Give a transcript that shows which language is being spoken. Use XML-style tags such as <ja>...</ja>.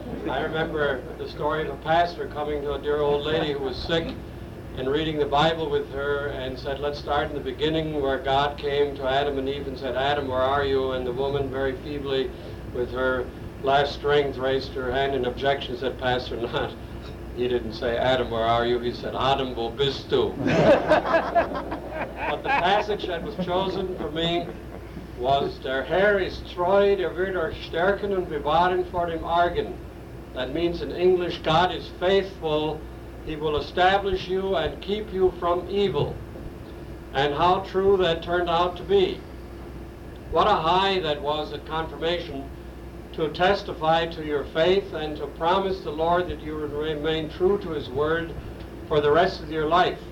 <en>I remember the story of a pastor coming to a dear old lady who was sick and reading the Bible with her, and said, let's start in the beginning, where God came to Adam and Eve and said, Adam, where are you? And the woman, very feebly, with her last strength, raised her hand in objection, said, Pastor, not. He didn't say, Adam, where are you? He said, Adam,</en> <de>wo bist du?</de> <en>But the passage that was chosen for me was,</en> <de>Der Herr ist treu, der wird euch stärken und bewahren vor dem Argen.</de> <en>That means in English, God is faithful. He will establish you and keep you from evil. And how true that turned out to be. What a high that was at confirmation to testify to your faith and to promise the Lord that you would remain true to his word for the rest of your life.</en>